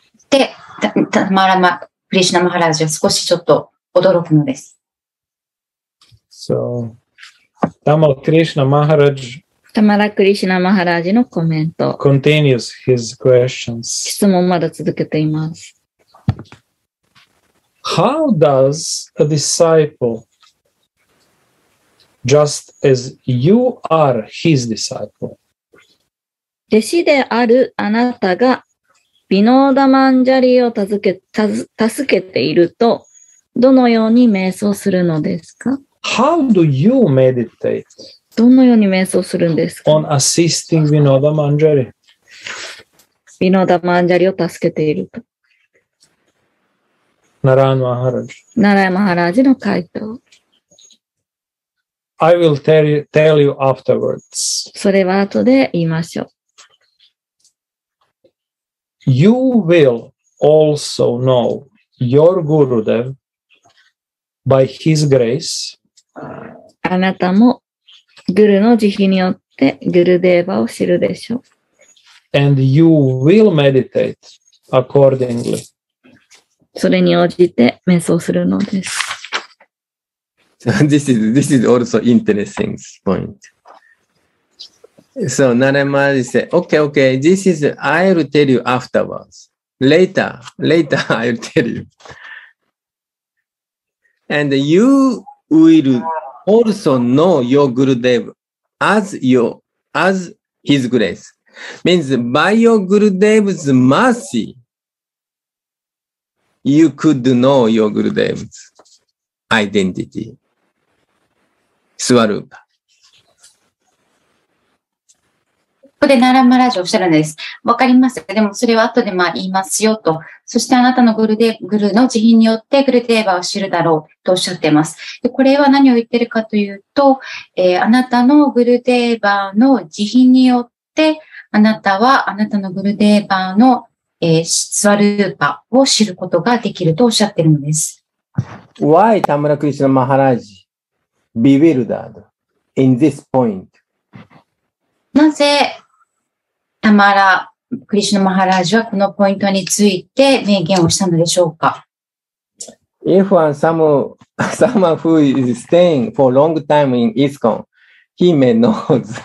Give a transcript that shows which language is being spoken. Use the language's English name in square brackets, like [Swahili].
[Japanese] で、クリシュナ・マハラジは少しちょっと驚くのです。 [English] So, Tamal Krishna Maharaj [Japanese] タマラ・クリシュナ・マハラジのコメント [English] continues his questions. [Japanese] 質問まだ続けています。 [English] How does a disciple, just as you are his disciple, [Japanese] 弟子であるあなたがビノーダマンジャリを助けているとどのように瞑想するのですか [English] How do you meditate? [Japanese] どのように瞑想するんですか [English] On assisting ビノーダマンジャリ [Japanese] ビノーダマンジャリを助けているとナラヤマハラジナラヤマハラジの回答 [English] I will tell you afterwards [Japanese] それは後で言いましょう [English] You will also know your Gurudev by his grace. [Japanese] あなたもグルの慈悲によってグルデーバを知るでしょう。 [English] And you will meditate accordingly. [Japanese] それに応じて瞑想するのです。 [English] this is also interesting point. So, Narayan Maharaj said, okay, okay, this is, I'll tell you afterwards. Later, I'll tell you. And you will also know your Gurudev as His grace. Means by your Gurudev's mercy, you could know your Gurudev's identity, Swarupa. [Japanese] ここでナラマラジオおっしゃるんです。わかりますか。でもそれは後でまあ言いますよと。そしてあなたのグルの慈悲によってグルデーバーを知るだろうとおっしゃっています。でこれは何を言ってるかというと、あなたのグルデーバーの慈悲によって、あなたはあなたのグルデーバーの、スワルーパを知ることができるとおっしゃってるんです。 [English] Why Tamara Krishna Maharaj bewildered in this point? [Japanese] なぜタマラ・クリシュナ・マハラージはこのポイントについて明言をしたのでしょうか。 [English] If one someone who is staying for long time in ISKCON, he may know.